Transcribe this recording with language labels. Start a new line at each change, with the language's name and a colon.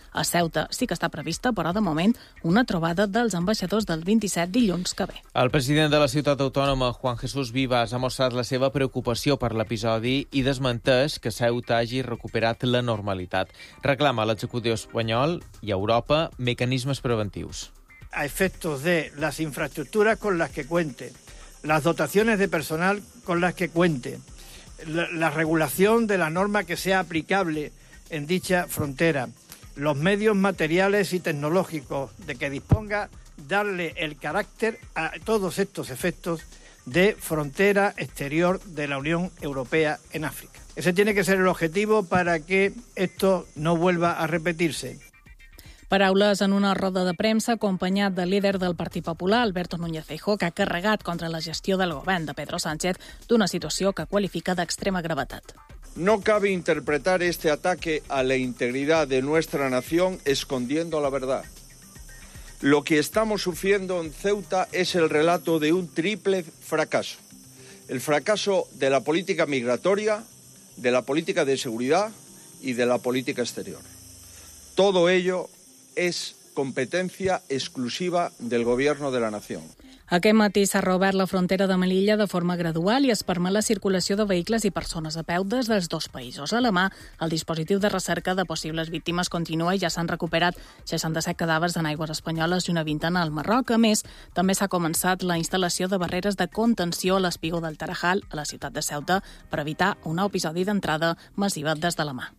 Catalan: A Ceuta sí que està prevista, però de moment, una trobada dels ambaixadors del 27 dilluns que ve. El president de la ciutat autònoma, Juan Jesús Vivas, ha mostrat la seva preocupació per l'episodi i desmenteix que Ceuta hagi recuperat la normalitat. Reclama a l'executiu espanyol i a Europa mecanismes preventius.
Spanish: A efectos de las infraestructuras con las que cuente, las dotaciones de personal con las que cuente, la regulación de la norma que sea aplicable en dicha frontera, los medios materiales y tecnológicos de que disponga, darle el carácter a todos estos efectos de frontera exterior de la Unión Europea en África. Ese tiene que ser el objetivo para que esto no vuelva a repetirse.
Catalan: Paraules en una roda de premsa acompanyat del líder del Partit Popular, Alberto Núñez Feijóo, que ha carregat contra la gestió del govern de Pedro Sánchez d'una situació que qualifica d'extrema gravetat.
Spanish: No cabe interpretar este ataque a la integridad de nuestra nación escondiendo la verdad. Lo que estamos sufriendo en Ceuta es el relato de un triple fracaso. El fracaso de la política migratoria, de la política de seguridad y de la política exterior. Todo ello es competencia exclusiva del Gobierno de la Nación.
Catalan: Aquest matí s'ha reobert la frontera de Melilla de forma gradual i es permet la circulació de vehicles i persones a peu des dels dos països. A la mà, el dispositiu de recerca de possibles víctimes continua i ja s'han recuperat 67 cadàvers en aigües espanyoles i una vintena al Marroc. A més, també s'ha començat la instal·lació de barreres de contenció a l'espigó del Tarajal, a la ciutat de Ceuta, per evitar un nou episodi d'entrada massiva des de la mà.